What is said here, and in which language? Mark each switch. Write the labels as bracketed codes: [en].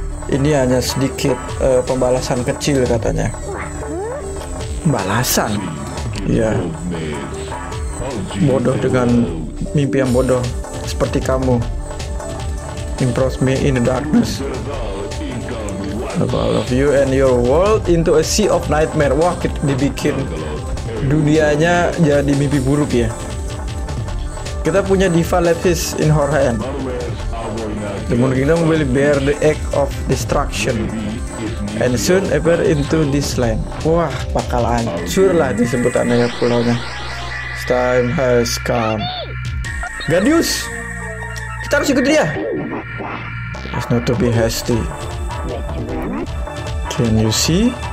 [id] Ini hanya sedikit pembalasan kecil katanya. Pembalasan? Iya. Bodoh dengan mimpi yang bodoh seperti kamu. [en] Impress me in the darkness. All of you and your world into a sea of nightmare. [id] Wah, kita dibikin dunianya jadi mimpi buruk ya. Kita punya [en] Diva Lapis in her hand. The Moon Kingdom will bear the egg of destruction and soon appear into this land. [id] Wah, bakal hancur lah disebutannya ya pulaunya. [en] Time has come. Gadius! [id] Kita harus ikut dia! [en] It's not to be hasty. Can you see?